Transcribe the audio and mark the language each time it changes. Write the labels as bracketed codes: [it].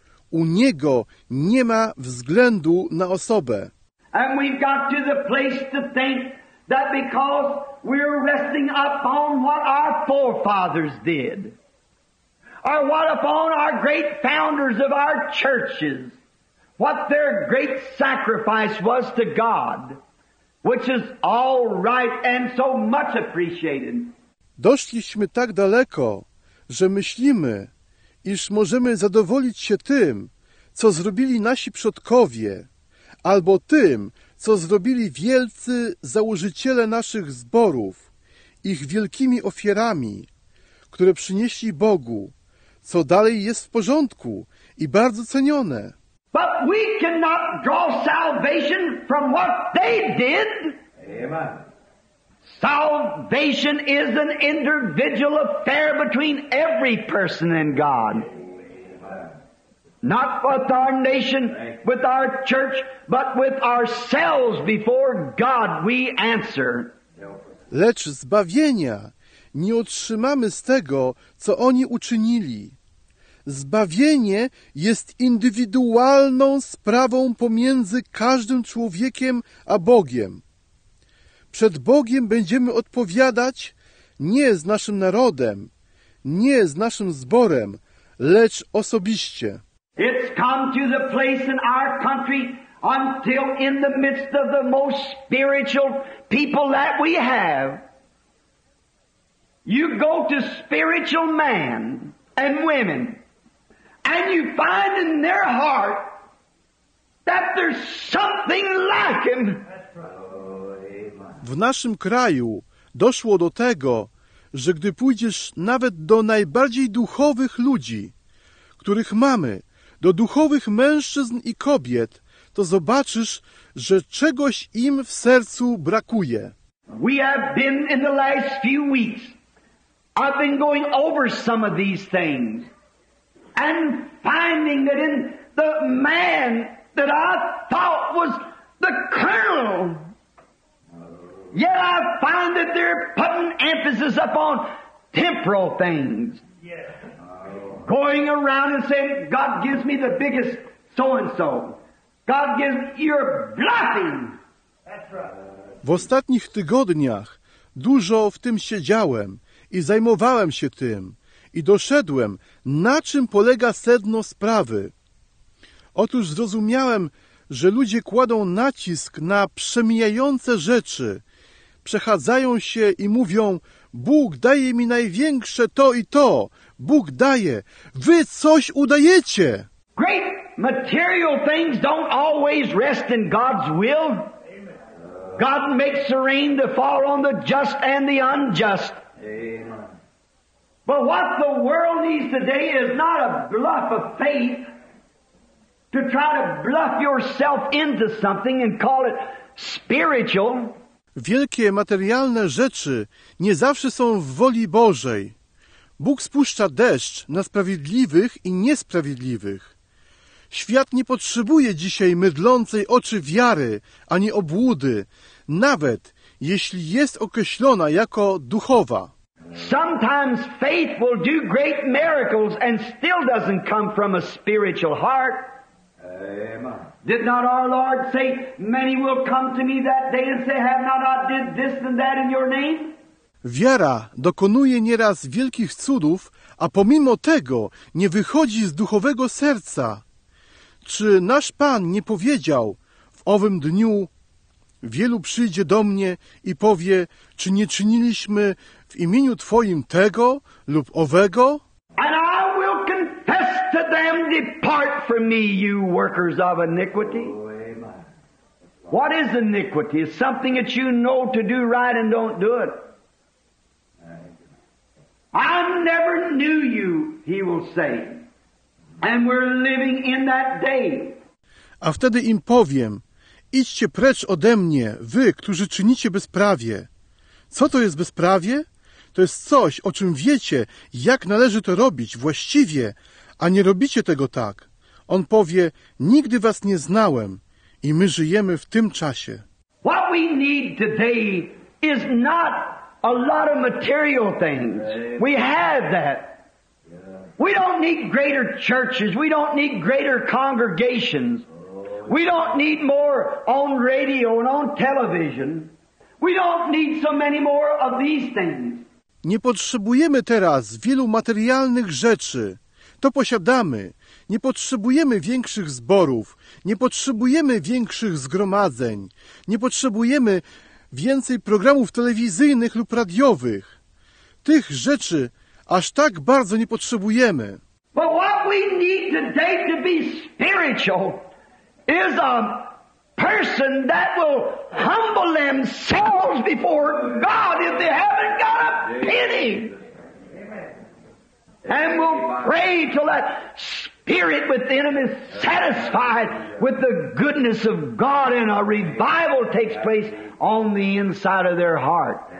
[pl] U niego nie ma względu na osobę. [en] And we've got to the place to think that because we're resting upon what our forefathers did, or what upon our great founders of our churches, what their great sacrifice was to God, which is all right and so much appreciated. [pl] Doszliśmy tak daleko, że myślimy, iż możemy zadowolić się tym, co zrobili nasi przodkowie, albo tym, co zrobili wielcy założyciele naszych zborów, ich wielkimi ofiarami, które przynieśli Bogu, co dalej jest w porządku i bardzo cenione. [en] But we cannot draw salvation from what they did. Amen. Salvation is an individual affair between every person and God. Not with our nation, with our church, but with ourselves before God we answer. [pl] Lecz zbawienia nie otrzymamy z tego, co oni uczynili. Zbawienie jest indywidualną sprawą pomiędzy każdym człowiekiem a Bogiem. Przed Bogiem będziemy odpowiadać nie z naszym narodem, nie z naszym zborem, lecz osobiście. [en] It's come to the place in our country until in the midst of the most spiritual people that we have. You go to spiritual man and women and you find in their heart that there's something lacking. [pl] W naszym kraju doszło do tego, że gdy pójdziesz nawet do najbardziej duchowych ludzi, których mamy, do duchowych mężczyzn i kobiet, to zobaczysz, że czegoś im w sercu brakuje. [en] We have been in the last few weeks. I've been going over some of these things and finding that in the man that I thought was the colonel, yet I find that they're putting emphasis upon temporal things. Going around and saying, God gives me the biggest so-and-so. God gives me, you're bluffing. [pl] W ostatnich tygodniach dużo w tym siedziałem i zajmowałem się tym i doszedłem, na czym polega sedno sprawy. Otóż zrozumiałem, że ludzie kładą nacisk na przemijające rzeczy, przechadzają się i mówią, Bóg daje mi największe to i to. Bóg daje. Wy coś udajecie. [en] Great material things don't always rest in God's will. Amen. God makes the rain to fall on the just and the unjust. Amen. But what the world needs today is not a bluff of faith to try to bluff yourself into something and call it spiritual. [pl] Wielkie materialne rzeczy nie zawsze są w woli Bożej. Bóg spuszcza deszcz na sprawiedliwych i niesprawiedliwych. Świat nie potrzebuje dzisiaj mydlącej oczy wiary ani obłudy, nawet jeśli jest określona jako duchowa. [en] Sometimes faith will do great miracles and still doesn't come from a spiritual heart. Amen. Did not our Lord say, many will come to me that day and say, have not I did this and that in your name? [pl] Wiara dokonuje nieraz wielkich cudów, a pomimo tego nie wychodzi z duchowego serca. Czy nasz Pan nie powiedział w owym dniu, wielu przyjdzie do mnie i powie, czy nie czyniliśmy w imieniu Twoim tego lub owego? [en] And I will confess to them, depart from me, you workers of iniquity. What is iniquity? It's something that you know to do right and don't do it. I never knew you, he will say. And we're living in that day. [pl] A wtedy im powiem, idźcie precz ode mnie, wy, którzy czynicie bezprawie. Co to jest bezprawie? To jest coś, o czym wiecie, jak należy to robić właściwie, a nie robicie tego tak. On powie, nigdy was nie znałem i my żyjemy w tym czasie. [en] What we need today is not a lot of material things. We have that. We don't need greater churches. We don't need greater congregations. We don't need more on radio and on television. We don't need so many more of these things. [pl] Nie potrzebujemy teraz wielu materialnych rzeczy. To posiadamy. Nie potrzebujemy większych zborów. Nie potrzebujemy większych zgromadzeń. Nie potrzebujemy więcej programów telewizyjnych lub radiowych. Tych rzeczy aż tak bardzo nie potrzebujemy. [en] But what we need today to be spiritual is a person that will humble themselves before God if they haven't got a penny. And will pray till that spirit within them is satisfied with the goodness of God and a revival takes place on the inside of their heart.